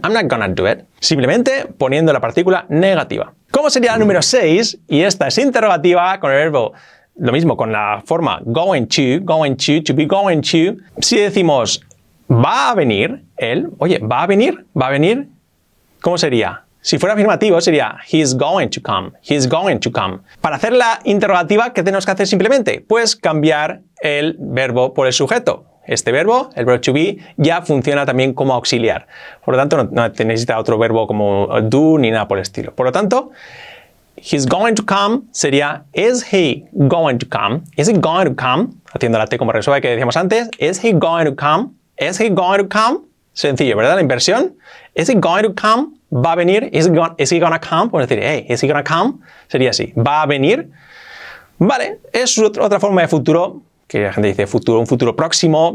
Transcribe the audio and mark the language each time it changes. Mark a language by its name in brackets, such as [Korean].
[English] I'm not gonna do it, [Spanish] simplemente poniendo la partícula negativa. ¿Cómo sería la número 6? Y esta es interrogativa con el verbo, lo mismo con la forma going to be going to. Si decimos, va a venir, él, oye, va a venir, ¿cómo sería? Si fuera afirmativo, sería [English] he's going to come, he's going to come. [Spanish] Para hacer la interrogativa, ¿qué tenemos que hacer simplemente? Pues cambiar el verbo por el sujeto. Este verbo, el verbo to be, ya funciona también como auxiliar. Por lo tanto, no necesita otro verbo como do ni nada por el estilo. Por lo tanto, [English] he's going to come sería is he going to come? Is he going to come? [Spanish] Haciendo la T como resuelve que decíamos antes. [English] Is he going to come? Is he going to come? [Spanish] Sencillo, ¿verdad? La inversión. [English] Is he going to come? [Spanish] ¿Va a venir? [English] Is he gonna come? [Spanish] Puedes decir, [English] hey, is he gonna come? [Spanish] Sería así. ¿Va a venir? Vale, es otra forma de futuro, que la gente dice futuro, un futuro próximo.